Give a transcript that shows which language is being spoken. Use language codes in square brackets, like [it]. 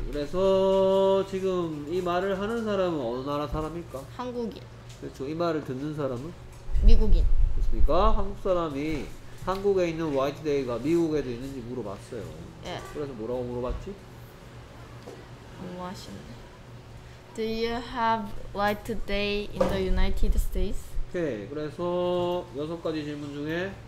[ko] 그래서 지금 이 말을 하는 사람은 어느 나라 사람일까? 한국인. 그렇죠. 이 말을 듣는 사람은? 미국인. 그렇습니까? 한국 사람이 한국에 있는 White Day가 미국에도 있는지 물어봤어요. 예. 그래서 뭐라고 물어봤지? 너무 아쉽네. [en] Do you have White Day in the United States? [ko] 오케이. 그래서 여섯 가지 질문 중에